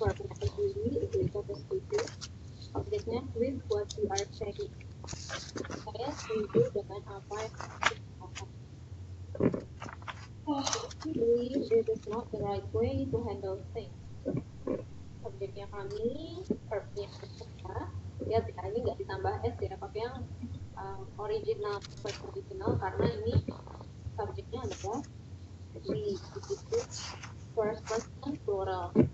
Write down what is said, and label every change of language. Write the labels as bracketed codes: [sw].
[en] Objeknya with what you are saying. [id] Saya setuju dengan apa yang kamu katakan. [en] This is not the right way to handle things. [id] Objeknya kami, verbnya kita. Ya, ini nggak ditambah s ya, tapi yang original first original karena ini subjeknya ada we, itu first person plural.